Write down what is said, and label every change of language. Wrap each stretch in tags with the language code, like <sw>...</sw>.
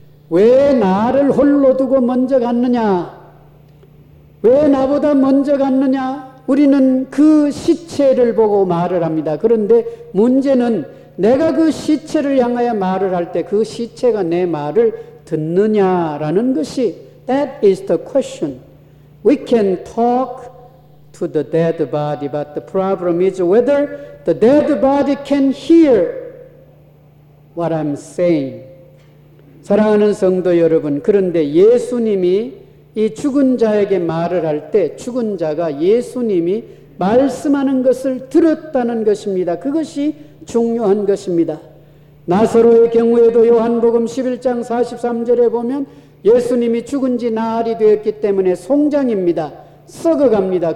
<ko>왜 나를 홀로 두고 먼저 갔느냐? 왜 나보다 먼저 갔느냐? 우리는 그 시체를 보고 말을 합니다. 그런데 문제는 내가 그 시체를 향하여 말을 할 때 그 시체가 내 말을 듣느냐라는 것이</ko> <en>That is the question. We can talk to the dead body, but the problem is whether the dead body can hear what I'm saying.</en> <ko>사랑하는 성도 여러분, 그런데 예수님이 이 죽은 자에게 말을 할 때 죽은 자가 예수님이 말씀하는 것을 들었다는 것입니다. 그것이 중요한 것입니다. 나사로의 경우에도 요한복음 11장 43절에 보면 예수님이 죽은 지 나흘이 되었기 때문에 송장입니다. 썩어갑니다.</ko>